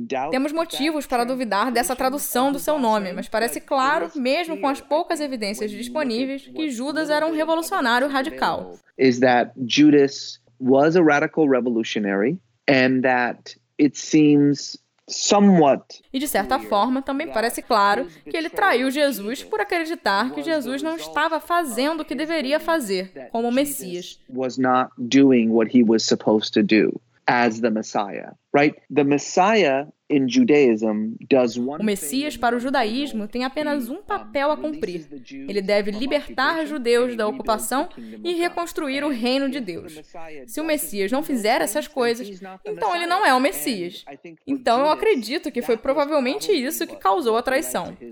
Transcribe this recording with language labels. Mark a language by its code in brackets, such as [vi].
[pt] Temos motivos para duvidar dessa tradução do seu nome, mas parece claro, mesmo com as poucas evidências disponíveis, que Judas era um revolucionário radical. [en] Judas was a radical revolutionary, and that it seems somewhat. [pt] E de certa forma, também parece claro que ele traiu Jesus por acreditar que Jesus não estava fazendo o que deveria fazer como Messias. [en] Was not doing what he was supposed to do as the Messiah, right? The Messiah in Judaism does one. [pt] O Messias para o judaísmo tem apenas um papel a cumprir. Ele deve libertar judeus da ocupação e reconstruir o reino de Deus. Se o Messias não fizer essas coisas, então ele não é o Messias. Então eu acredito que foi provavelmente isso que causou a traição.